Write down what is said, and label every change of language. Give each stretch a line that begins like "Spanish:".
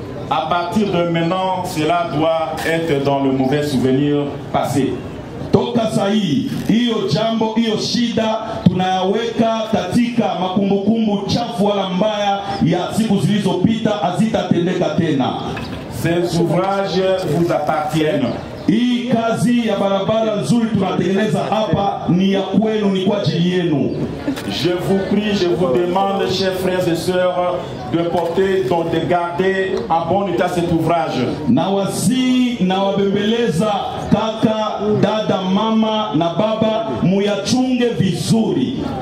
French: À partir de maintenant, cela doit être dans le mauvais souvenir passé.
Swahili: Toka sahi, hiyo jambo, hiyo shida, tunayaweka katika makumbukumbu chafu wala mbaya ya siku zilizopita hazitatendeka tena.
French: Ces ouvrages vous appartiennent.
Swahili: Hii kazi ya barabara nzuri tunatengeneza hapa ni ya kwenu, ni kwa ajili yenu.
French: Je vous prie, je vous demande, chers frères et sœurs, de porter, donc de garder en bon état cet ouvrage.
Swahili: Na wasi, na wabembeleza, kaka, dada, mama, na baba, muyachunge vizuri.